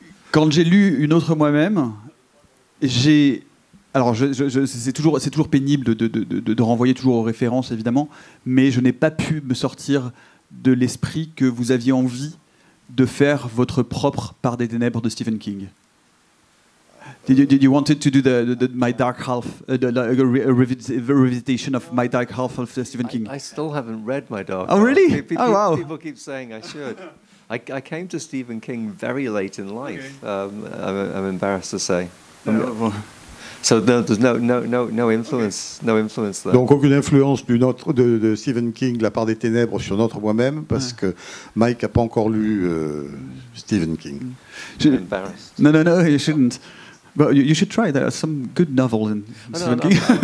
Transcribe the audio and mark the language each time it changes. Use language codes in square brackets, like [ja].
[fr] Quand j'ai lu Une autre moi-même, j'ai... Alors, c'est toujours pénible de renvoyer toujours aux références, évidemment, mais je n'ai pas pu me sortir de l'esprit que vous aviez envie de faire votre propre Part des ténèbres de Stephen King. [en] Did you wanted to do the my dark half revisitation of my dark half of Stephen King? I still haven't read my dark. Oh really? Half. Oh wow! People keep saying I should. I came to Stephen King very late in life. Okay. I'm embarrassed to say. So there's no influence. Okay. No influence there. [fr] Donc aucune influence de Stephen King, La Part des Ténèbres, sur notre moi-même, parce que Mike a pas encore lu Stephen King. [en] I'm embarrassed. No, you shouldn't. But you should try. There are some good novels in Stephen King.